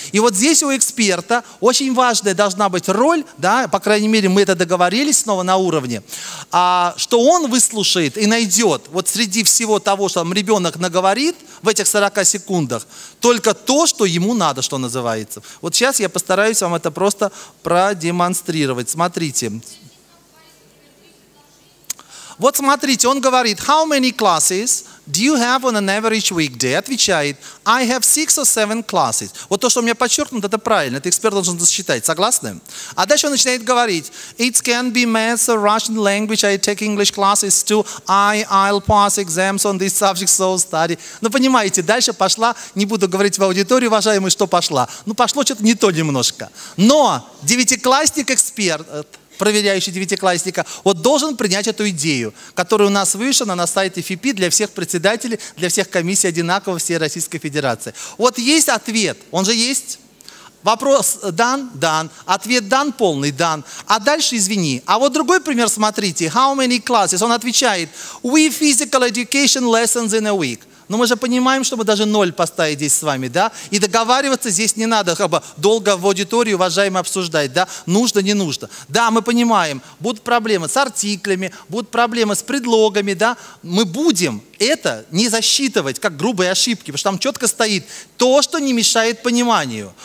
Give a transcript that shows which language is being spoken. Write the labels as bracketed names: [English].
[Russian] И вот здесь у эксперта очень важная должна быть роль, да, по крайней мере, мы это договорились снова на уровне, что он выслушает и найдет вот среди всего того, что ребенок наговорит в этих 40 секундах, только то, что ему надо, что называется. Вот сейчас я постараюсь вам это просто продемонстрировать. Смотрите. Вот смотрите, он говорит, [English] how many classes do you have on an average weekday? [Russian] Отвечает, [English] I have 6 or 7 classes. [Russian] Вот то, что у меня подчеркнуто, это правильно, это эксперт должен считать, согласны? А дальше он начинает говорить, [English] it can be math or Russian language, I take English classes too, I'll pass exams on this subject, so study. [Russian] Ну, понимаете, дальше пошла, не буду говорить в аудитории, уважаемый, что пошла. Ну, пошло что-то не то немножко. Но девятиклассник-эксперт, проверяющий девятиклассника, вот должен принять эту идею, которая у нас вышла на сайте ФИПИ для всех председателей, для всех комиссий одинаково всей Российской Федерации. Вот есть ответ, он же есть. Вопрос дан? Дан. Ответ дан? Полный дан. А дальше извини. А вот другой пример, смотрите. [English] How many classes? [Russian] Он отвечает. [English] We physical education lessons in a week. [Russian] Но мы же понимаем, что мы даже ноль поставить здесь с вами, да? И договариваться здесь не надо, как бы долго в аудитории, уважаемо, обсуждать, да? Нужно, не нужно. Да, мы понимаем, будут проблемы с артиклями, будут проблемы с предлогами, да? Мы будем это не засчитывать, как грубые ошибки, потому что там четко стоит то, что не мешает пониманию.